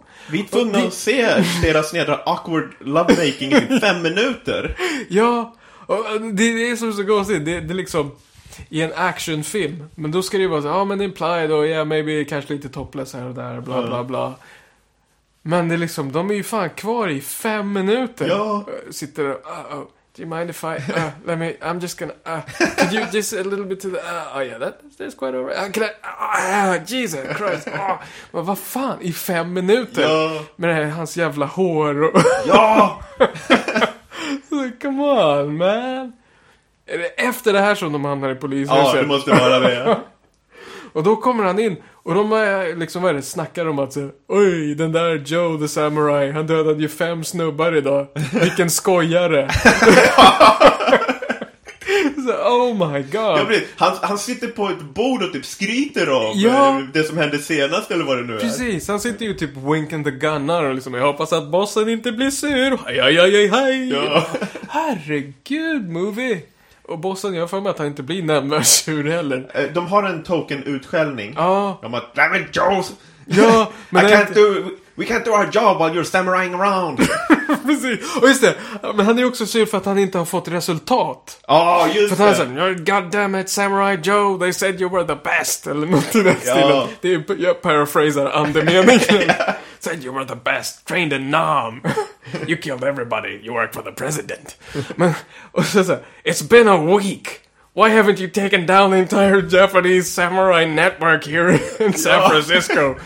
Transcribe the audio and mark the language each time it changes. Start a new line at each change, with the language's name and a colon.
Swedish: Vi är tvungna att se deras nedra
English: awkward lovemaking
Swedish: i 5 minuter. Ja, och det är som så konstigt, det är liksom i en actionfilm, men då ska det ju vara så, men implied och maybe kanske lite topless här och där, bla bla bla. Men det är liksom, de är ju fan kvar i 5 minuter. Ja. Sitter och,
English: do you mind if I, let me, I'm just gonna, could you just a little bit to the, that's quite all right. Can I, Jesus Christ,
Swedish: men vad fan, i 5 minuter? Ja. Med hans jävla hår och... Ja!
English: Come on, man.
Swedish: Är det efter det här som de hamnar i polishuset? Ja, det måste vara det. Ja. Och då kommer han in. Och de är liksom, vad är det, snackar om att säga, oj, den där Joe the Samurai, han dödade ju 5 snubbar idag. Vilken skojare.
English: Så, oh my god.
Swedish: Han sitter på ett bord och typ skryter om det som hände senast eller vad det nu är. Precis, han sitter ju typ
English: winking the gunner
Swedish: och liksom, jag hoppas att bossen inte blir sur. Hej, hej, hej, hej. Ja. Herregud, movie. Och bossen, jag får med att han inte blir nämnvärt sur heller. De har en token-utskällning. Ja. De har,
English: damn it,
Swedish: Joe! Ja, men...
English: we can't do our job while you're samuraying around.
Swedish: Precis. Och just det. Men han är också sur för att han inte har fått resultat. Ja, oh, just det. För att han det. Är såhär,
English: god damn it, Samurai Joe, they said you were the best.
Swedish: Eller något i den stilen. Det är, jag paraphrasar andemeningen.
English: Yeah. Said you were the best, trained in Nam. You killed everybody, you work for the president.
Swedish: Men, och så såhär,
English: it's been a week. Why haven't you taken down the entire Japanese samurai network here in San Francisco?